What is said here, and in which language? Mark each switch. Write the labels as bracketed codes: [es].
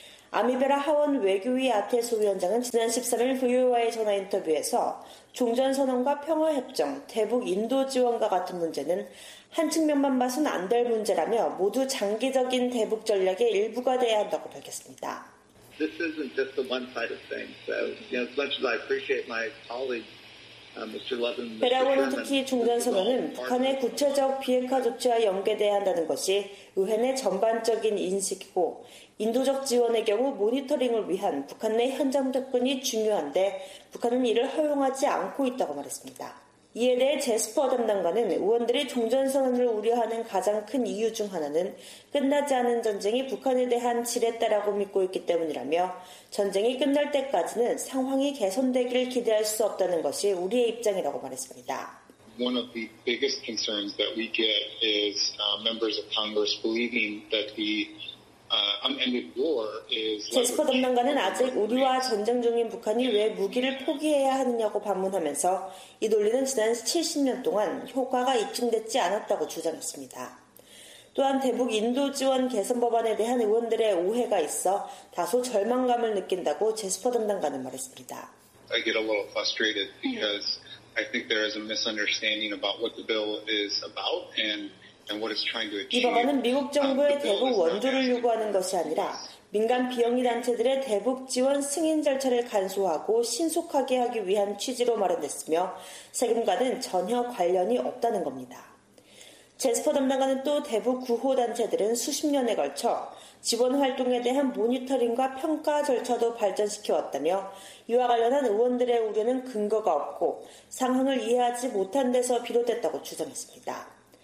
[ko] 아미베라 하원 외교위 아테소 위원장은 지난 13일 VOA 전화 인터뷰에서 종전선언과 평화협정, 대북 인도 지원과 같은 문제는 한 측면만 봐선 안 될 문제라며 모두 장기적인 대북 전략의 일부가 돼야 한다고 밝혔습니다. [en] This isn't just a one-sided thing. So, you know, as much as I appreciate my colleague, Mr. Levin, [ko] 베라원은 특히 종전선언은 북한의 구체적 비핵화 조치와 연계돼야 한다는 것이 의회 내 전반적인 인식이고 인도적 지원의 경우 모니터링을 위한 북한 내 현장 접근이 중요한데 북한은 이를 허용하지 않고 있다고 말했습니다. 이에 대해 제스퍼 담당관은 의원들이 종전선언을 우려하는 가장 큰 이유 중 하나는 끝나지 않은 전쟁이 북한에 대한 지렛대라고 믿고 있기 때문이라며 전쟁이 끝날 때까지는 상황이 개선되기를 기대할 수 없다는 것이 우리의 입장이라고 말했습니다. [en] One of the biggest concerns that we get is members of Congress believing that the [ko] 제스퍼 담당관은 아직 우리와 전쟁 중인 북한이 왜 무기를 포기해야 하느냐고 반문하면서 이 논리는 지난 70년 동안 효과가 입증됐지 않았다고 주장했습니다. 또한 대북 인도 지원 개선 법안에 대한 의원들의 오해가 있어 다소 절망감을 느낀다고 제스퍼 담당관은 말했습니다. [en] I get a little frustrated because I think there is a misunderstanding about what the bill is about and [ko] 이 법안은 미국 정부의 대북 원조를 요구하는 것이 아니라 민간 비영리 단체들의 대북 지원 승인 절차를 간소화하고 신속하게 하기 위한 취지로 마련됐으며 세금과는 전혀 관련이 없다는 겁니다. 제스퍼 담당관은 또 대북 구호 단체들은 수십 년에 걸쳐 지원 활동에 대한 모니터링과 평가 절차도 발전시켜왔다며 이와 관련한 의원들의 우려는 근거가 없고 상황을 이해하지 못한 데서 비롯됐다고 주장했습니다.